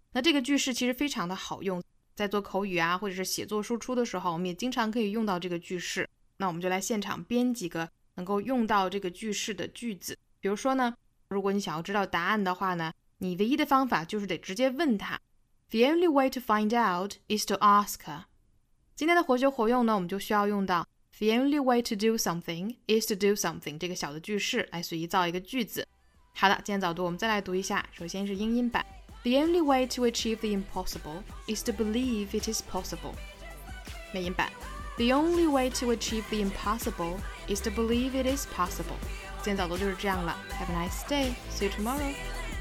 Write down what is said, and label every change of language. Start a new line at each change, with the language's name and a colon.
Chinese: 那这个句式其实非常的好用，在做口语啊或者是写作输出的时候我们也经常可以用到这个句式。那我们就来现场编几个能够用到这个句式的句子。比如说呢，如果你想要知道答案的话呢，你唯一的方法就是得直接问他。
English: The only way to find out is to ask her.
Chinese: 今天的活学活用呢我们就需要用到
English: The only way to do something
Chinese: is to do something 这个小的句式来随意造一个句子。好的，今天早读我们再来读一下，首先是英音版。
English: The only way to achieve the impossible is to believe it is possible.
Chinese: 美音版。
English: The only way to achieve the impossible is to believe it is possible.
Chinese: 今天早读就是这样了，
English: Have a nice day. See you tomorrow.